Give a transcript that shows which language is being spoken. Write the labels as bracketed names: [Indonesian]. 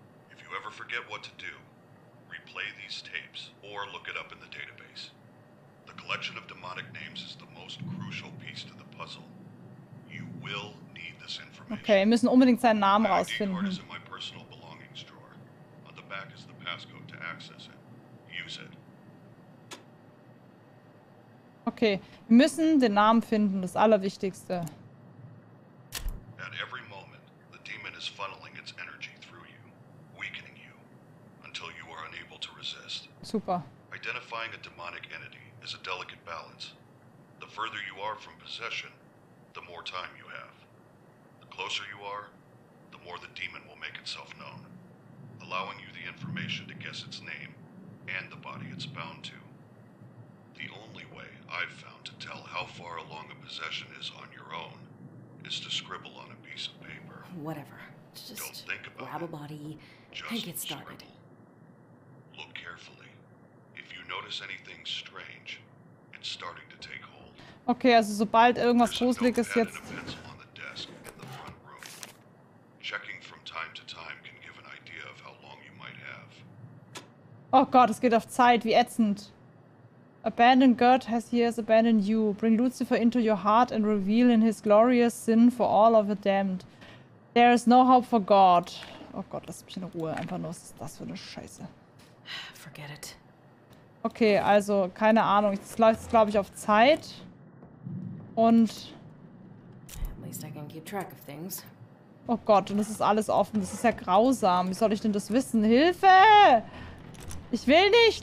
[English] If you ever forget what to do, replay these tapes or look it up in the database. The collection of demonic names is the most crucial piece to the puzzle. You will need this information. [German] Okay, wir müssen unbedingt seinen Namen rausfinden. [English] My ID card is in my personal belongings drawer. On the back is the passcode to access it. Use it. [German] Okay, wir müssen den Namen finden, das Allerwichtigste. [English] At every moment, the demon is funneling its energy through you, weakening you, until you are unable to resist. Super. Identifying a demonic entity is a delicate balance. The further you are from possession, the more time you have. The closer you are, the more the demon will make itself known, allowing you the information to guess its name and the body it's bound to. The only way I've found to tell how far along a possession is on your own is to scribble on a piece of paper. Whatever. Just don't think about grab it. A body just and get started. Scribble. Look carefully. If you notice anything strange, it's starting to take hold. [German] Okay, also sobald irgendwas gruselig ist jetzt. [English] On the desk in the front room. Checking from time to time can give an idea of how long you might have. [German] Oh Gott, es geht auf Zeit, wie ätzend. [English] Abandoned God has he has abandoned you. Bring Lucifer into your heart and reveal in his glorious sin for all of the damned. There is no hope for God. [German] Oh Gott, lass mich in Ruhe. Einfach nur, was ist das für eine Scheiße? [English] Forget it. [German] Okay, also, keine Ahnung. Das läuft jetzt, glaube ich, auf Zeit. Und... [English] At least I can keep track of things. [German] Oh Gott, und das ist alles offen. Das ist ja grausam. Wie soll ich denn das wissen? Hilfe! Ich will nicht!